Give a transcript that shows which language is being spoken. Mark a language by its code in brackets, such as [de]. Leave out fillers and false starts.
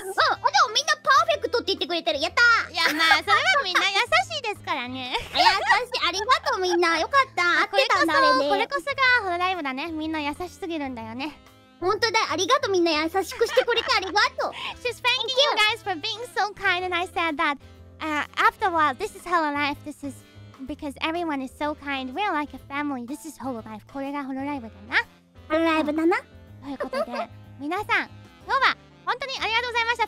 [ja] うん、でもみんなパーフェクトって言ってくれてる。やったー。いや、まあ、それはみんな優しいですからね。優しい。ありがとう、みんな。よかった。合ってたんだ、あれね。これこそがHololive だね。みんな優しすぎるんだよね。本当だ、ありがとう、みんな優しくしてくれてありがとう。 [en] She's thanking you guys for being so kind, and I said that after a while, this is Hololive, this is because everyone is so kind, we're like a family, this is Hololive, [ja] これがHololive だな。 Hololive だな。ということで、皆さん、今日は本当にありがとうございました。